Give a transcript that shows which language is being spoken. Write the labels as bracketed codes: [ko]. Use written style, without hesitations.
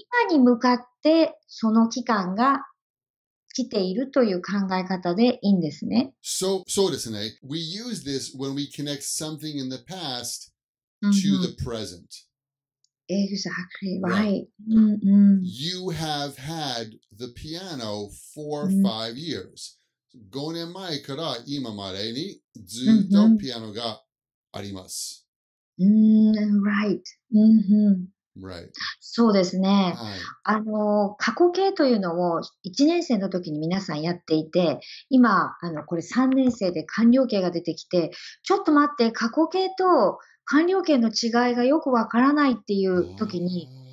[ja] 今に向かってその期間が来ているという考え方でいいんですね。そうですね。 [en] We use this when we connect something in the past to the present. Exactly right. Right. Mm-hmm. You have had the piano for、mm-hmm. 5 years. [ja] 5年前から今までにずっとピアノがあります。 [en] Right. Mm-hmm. Right. [ja] そうですね、はい、あの過去形というのを1年生の時に皆さんやっていて、今あのこれ3年生で完了形が出てきて、ちょっと待って、過去形と完了形の違いがよくわからないっていう時に、